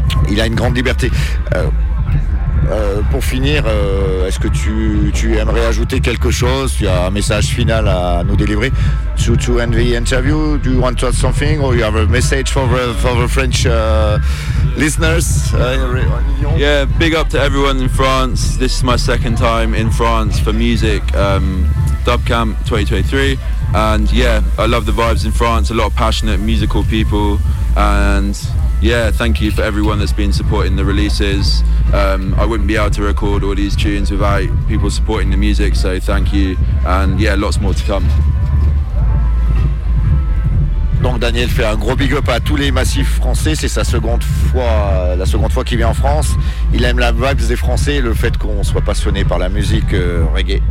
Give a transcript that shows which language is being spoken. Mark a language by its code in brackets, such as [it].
[fr] Il a une grande liberté. Pour finir, est-ce que tu aimerais ajouter quelque chose? Tu as un message final à nous délivrer? [en] To end the interview, do you want to add something, or you have a message for the French listeners? Yeah, big up to everyone in France. This is my second time in France for music, Dubcamp 2023, and yeah, I love the vibes in France. A lot of passionate musical people, and yeah, thank you for everyone that's been supporting the releases. I wouldn't be able to record all these tunes without people supporting the music, so thank you. And yeah, lots more to come. [fr] Donc Daniel fait un gros big up à tous les massifs français. C'est sa seconde fois, la seconde fois qu'il vient en France. Il aime la vibe des Français, le fait qu'on soit passionné par la musique reggae.